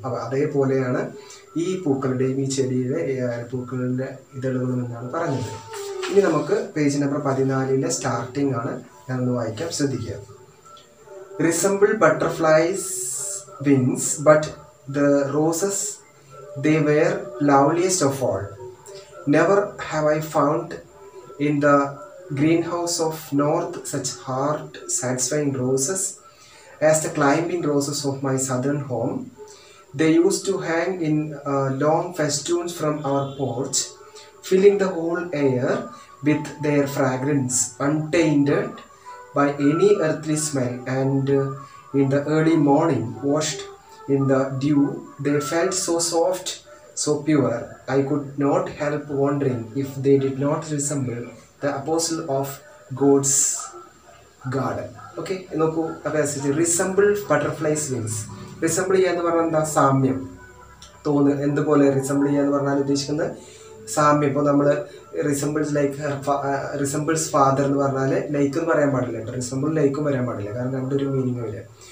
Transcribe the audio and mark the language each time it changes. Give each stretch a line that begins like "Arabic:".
Malayalam: അപ്പോൾ അതേപോലെയാണ് ഈ പൂക്കളുടെയും ഈ ചെടിയുടെ പൂക്കളുടെ ഇതളുകളും എന്നാണ് പറഞ്ഞത്. ഇനി നമുക്ക് പേജ് നമ്പർ 14 സ്റ്റാർട്ടിംഗ് ആണ് ഞാനൊന്ന് വായിക്കാം, ശ്രദ്ധിക്കുക.
English: Resemble butterflies wings but the roses they were loveliest of all.
Malayalam: Never have I found in the
English: greenhouse of north such heart satisfying roses as the climbing roses of my southern home. They used to hang in long festoons from our porch, filling the whole air with their fragrance, untainted by any earthly smell, and in the early morning washed in the dew, they felt so soft, so pure. I could not help wondering if they did not resemble the apostle of God's garden.
Malayalam: Okay, നോക്കൂ ആ passage.
English: resemble butterflies wings,
Malayalam: resemble ചെയ്യുക എന്ന് പറഞ്ഞാൽ എന്താ, സാമ്യം തോന്നുക, എന്തുപോലെ resemble ചെയ്യുക എന്ന് പറഞ്ഞാൽ ഉദ്ദേശിക്കുന്നത് സാമ്യം. ഇപ്പോൾ നമ്മൾ
English: resembles like resembles father
Malayalam: എന്ന് പറഞ്ഞാൽ ലൈക്ക് എന്ന് പറയാൻ പാടില്ല കേട്ടോ, റിസംബിൾ ലൈക്കും വരാൻ പാടില്ല, കാരണം രണ്ടൊരു മീനിങ് വരില്ല.